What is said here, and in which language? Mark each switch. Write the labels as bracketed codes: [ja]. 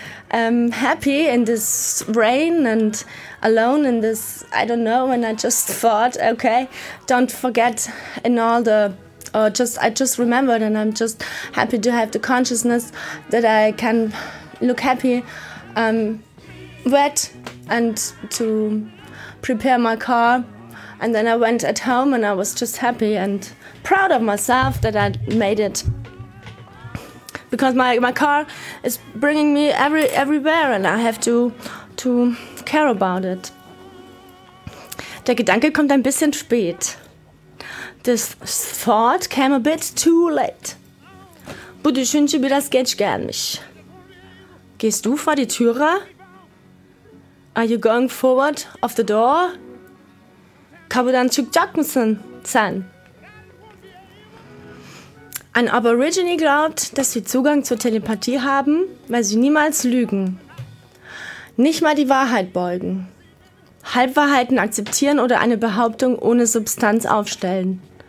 [en] happy in this rain and alone in this, I don't know, and I just thought, okay, don't forget in all the, or just, I just remembered, and I'm just happy to have the consciousness that I can look happy, wet, and to prepare my car. And then I went at home and I was just happy and proud of myself that I made it. Because my car is bringing me everywhere and I have to care about it. [de] Der Gedanke kommt ein bisschen spät. [en] This thought came a bit too late. [de] Bitte schön, ich will das Geld gern mich. Gehst du vor die Türe? [en] Are you going forward of the door? [de] Kann man dann zu Jackson sein? Ein Aborigine glaubt, dass sie Zugang zur Telepathie haben, weil sie niemals lügen. Nicht mal die Wahrheit beugen. Halbwahrheiten akzeptieren oder eine Behauptung ohne Substanz aufstellen.